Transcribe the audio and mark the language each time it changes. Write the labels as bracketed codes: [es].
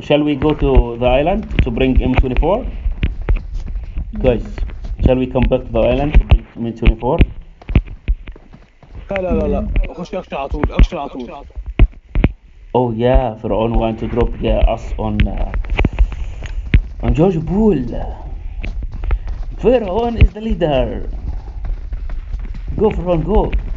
[en] Shall we go to the island to bring M24? Guys, shall we come back to the island to bring M24? [ar] لا لا لا لا، اخش اكشن على طول، اكشن على طول. [en] Oh yeah, Fir'aun want to drop us on George Pool. Fir'aun is the leader. Go, Fir'aun, go.